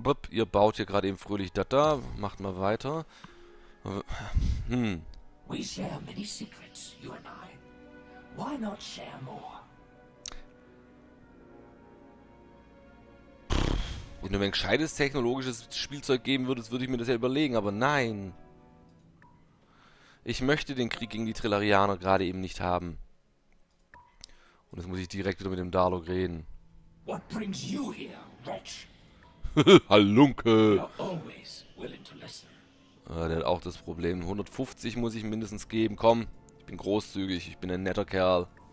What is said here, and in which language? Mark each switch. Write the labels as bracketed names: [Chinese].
[German] Ihr baut hier gerade eben fröhlich da. Macht mal weiter. [English] We share many secrets, you and I. Why not share more? [German] Wenn du mir ein gescheites technologisches Spielzeug geben würdest, würde ich mir das ja überlegen, aber nein. Ich möchte den Krieg gegen die Trillarianer gerade eben nicht haben. Und jetzt muss ich direkt wieder mit dem Darlok reden. [English] What brings you here, wretch? [German] Halunke! [English] Always willing to listen. [German] Der hat auch das Problem. 150 muss ich mindestens geben. Komm, ich bin großzügig, ich bin ein netter Kerl.